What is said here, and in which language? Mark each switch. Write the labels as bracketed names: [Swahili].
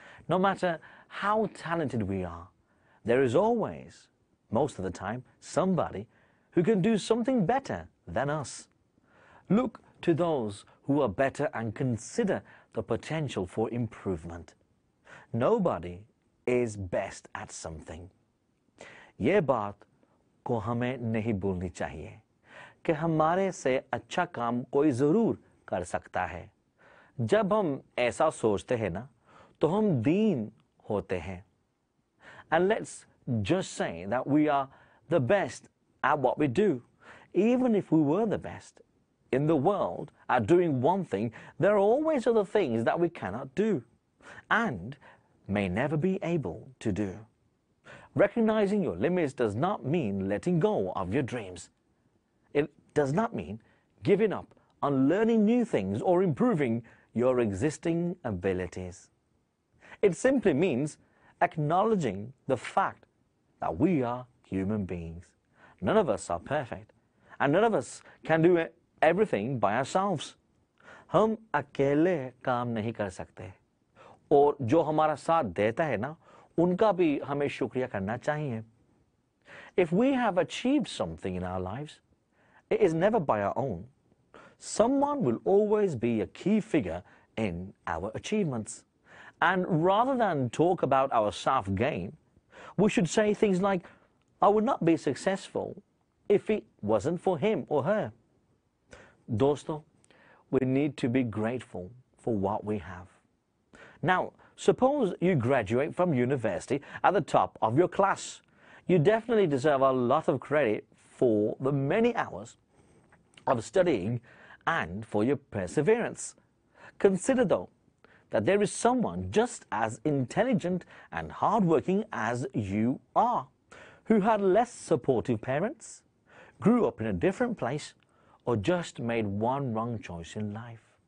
[English] No matter how talented we are, there is always, most of the time, somebody who can do something better than us. Look to those who are better and consider the potential for improvement. Nobody is best at something. [Hindi] Ye baat को हमें नहीं भूलनी चाहिए कि हमारे से अच्छा काम कोई जरूर कर सकता है जब हम ऐसा सोचते हैं ना तो हम दीन होते हैं [English] And let's just say that we are the best at what we do even if we were the best in the world at doing one thing there are always other things that we can not do and may never be able to do. Recognizing your limits does not mean letting go of your dreams. It does not mean giving up on learning new things or improving your existing abilities. It simply means acknowledging the fact that we are human beings. None of us are perfect, and none of us can do everything by ourselves. [Hindi] Hum akele kaam nahi kar sakte, aur jo hamara saath deta hai na, उनका भी हमें शुक्रिया करना चाहिए. [English] If we have achieved something in our lives, it is never by our own. Someone will always be a key figure in our achievements. And rather than talk about our self gain, we should say things like I would not be successful if it wasn't for him or her. दोस्तों, we need to be grateful for what we have. Now suppose you graduate from university at the top of your class. You definitely deserve a lot of credit for the many hours of studying and for your perseverance. Consider though that that there is someone just as intelligent and hardworking as you are, who had less supportive parents, grew up in a different place, or just made one wrong choice in life.